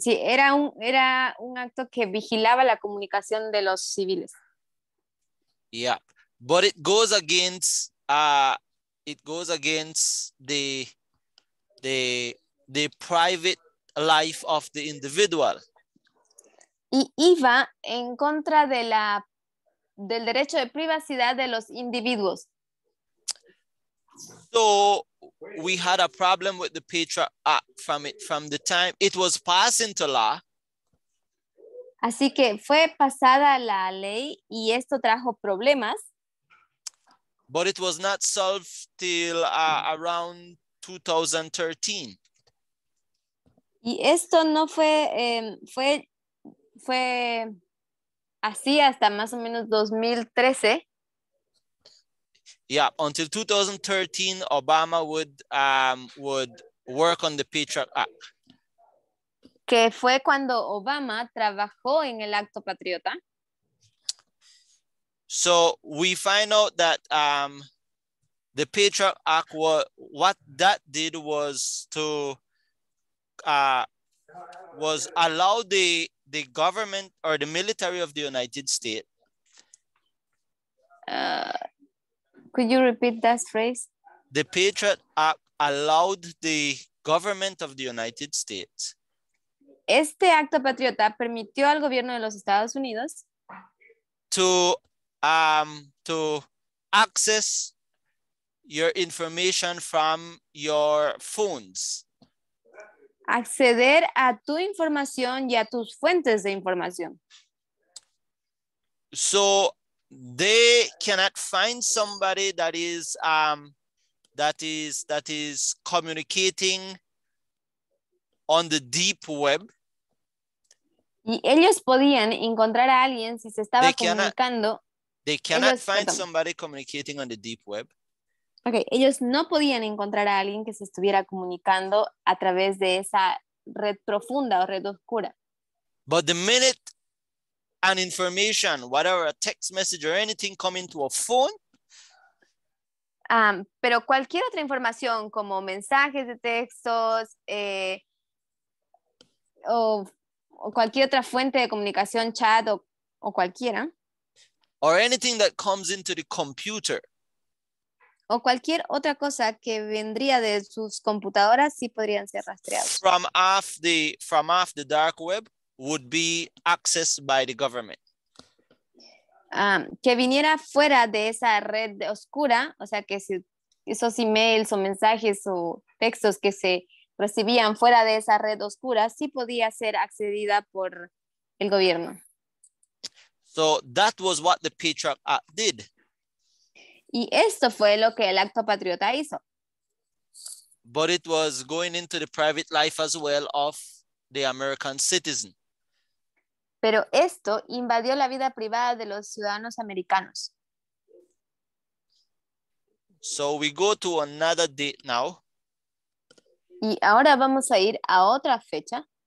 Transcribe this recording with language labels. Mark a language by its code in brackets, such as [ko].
[es] Sí, era un acto que vigilaba la comunicación de los civiles. [en] Yeah, but it goes against the private life of the individual. [es] Y iba en contra de la del derecho de privacidad de los individuos. [en] So we had a problem with the Patriot Act from the time it was passed into law. [es] Así que fue pasada la ley y esto trajo problemas. [en] But it was not solved till around 2013. [es] Y esto no fue así hasta más o menos 2013. [en] Yeah, until 2013, Obama would work on the Patriot Act. [es] Que fue cuando Obama trabajó en el acto patriota. [en] So we find out that the Patriot Act, what that did was to was allow the government or the military of the United States. Could you repeat that phrase? The Patriot Act allowed the government of the United States. [es] Este acto patriota permitió al gobierno de los Estados Unidos [en] to access your information from your phones. [es] Acceder a tu información y a tus fuentes de información. [en] So they cannot find somebody that is communicating on the deep web. [es] Y ellos podían encontrar a alguien si se estaba comunicando. [en] They cannot find somebody communicating on the deep web. [es] Okay, ellos no podían encontrar a alguien que se estuviera comunicando a través de esa red profunda o red oscura. [en] But the minute an information, whatever, a text message or anything come into a phone. [es] Pero cualquier otra información como mensajes de textos o cualquier otra fuente de comunicación, chat o cualquiera. [en] Or anything that comes into the computer. [es] O cualquier otra cosa que vendría de sus computadoras sí podrían ser rastreados. [en] From off the dark web would be accessed by the government. [es] Que viniera fuera de esa red oscura, o sea que si esos emails o mensajes o textos que se recibían fuera de esa red oscura sí podía ser accedida por el gobierno. [en] So that was what the Patriot Act did. [es] Y esto fue lo que el Acto Patriota hizo. [en] But it was going into the private life as well of the American citizen. [es] Pero esto invadió la vida privada de los ciudadanos americanos. [en] So we go to another date now. [es] Y ahora vamos a ir a otra fecha.